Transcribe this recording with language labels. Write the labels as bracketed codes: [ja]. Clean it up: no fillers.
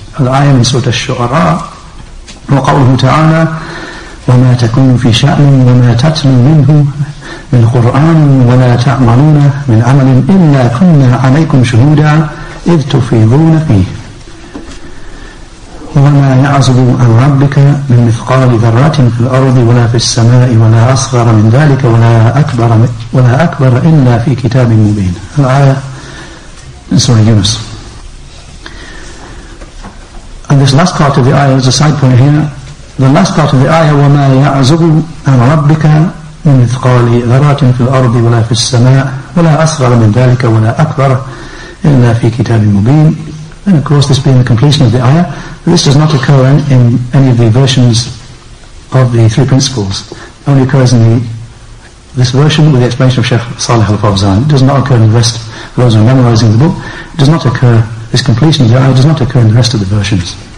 [ar] الآية من سورة الشعراء. وقوله تعالى وما تكون في شأن وما تتلو منه من قرآن ولا تعملون من عمل إلا كنا عليكم شهودا إذ تفيضون فيه وما يعزب عن ربك من مثقال ذرة في الأرض ولا في السماء ولا أصغر من ذلك ولا أكبر إلا في كتاب مبين. الآية من سورة يونس. [en] And this last part of the ayah is a side point here. The last part of the ayah, [ar] وما يعزب عن ربك من مثقال ذرة في الأرض ولا في السماء ولا أصغر من ذلك ولا أكبر إلا في كتاب مبين. [en] And of course, this being the completion of the ayah, this does not occur in any of the versions of the three principles. It only occurs in this version with the explanation of Shaykh Salih al-Fawzan. It does not occur in the rest, for those who are memorizing the book, it does not occur, this completion of the ayah does not occur in the rest of the versions.